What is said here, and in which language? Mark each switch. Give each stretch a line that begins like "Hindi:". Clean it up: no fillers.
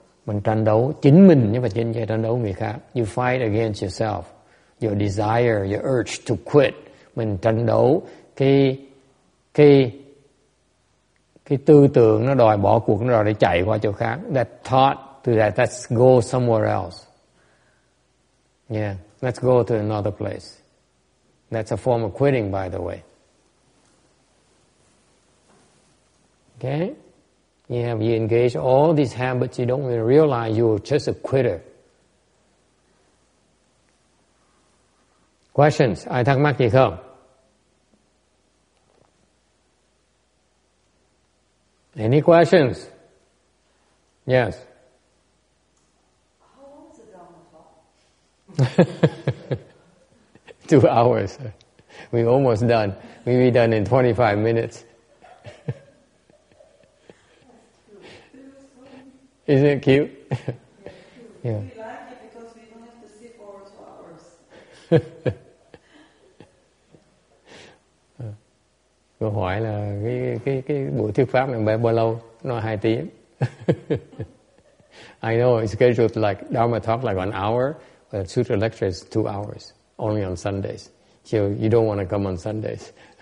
Vietnamese: Mình tranh đấu chính mình, nhưng mà trên kia tranh đấu người khác.
English: You fight against yourself, your desire, your urge to quit.
Vietnamese: Mình tranh đấu cái tư tưởng nó đòi bỏ cuộc, nó đòi để chạy qua chỗ khác.
English: That thought to that, let's go somewhere else. Yeah, let's go to another place. That's a form of quitting, by the way. Okay? Yeah, you engage all these habits, you don't even realize you're just a quitter. Questions?
Vietnamese: Ai thắc mắc gì không?
English: Any questions? Yes. How long is the Dharma talk? 2 hours. We're almost done. We'll be done in 25 minutes. Isn't it cute? Yeah, cute. Yeah. We like it because we don't have to sit for 2 hours.
Vietnamese: Cô hỏi là cái buổi thuyết pháp này bao lâu? Nó 2 tiếng.
English: I know it's scheduled like Dharma talk like 1 hour, but Sutra lecture is 2 hours only on Sundays. So you don't want to come on Sundays.